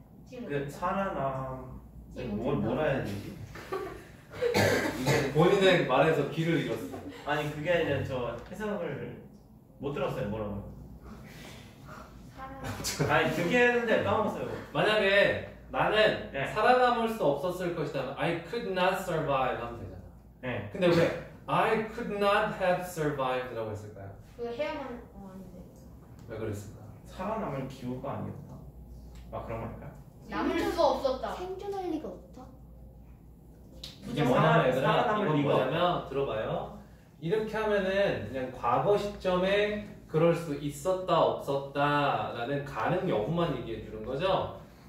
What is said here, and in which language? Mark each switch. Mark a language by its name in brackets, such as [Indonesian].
[Korean] 그 살아남. 뭘 해야 되지? 이게 본인의 말에서 길을 잃었어. 아니 그게 아니라 저 해석을 못 들었어요. 뭐라고? 살아남. 아니 듣긴 했는데 까먹었어요. 만약에 나는 네. 살아남을 수 없었을 것이다. [English] I could not survive [Korean] 하면 되잖아. 네. 근데 왜 [English] I could not have survived [Korean] 라고 했을까요? 그거 해야만 아닌데. 왜 그랬을까? 살아남을 기후가 아니었다. 막 그런 말일까? 남을 수가 없었다. 생존할 리가 없다. 이게 뭐냐면 얘들아, 이건 뭐냐면 들어봐요. 이렇게 하면은 그냥 과거 시점에 그럴 수 있었다 없었다라는 가능 여부만 얘기해 주는 거죠.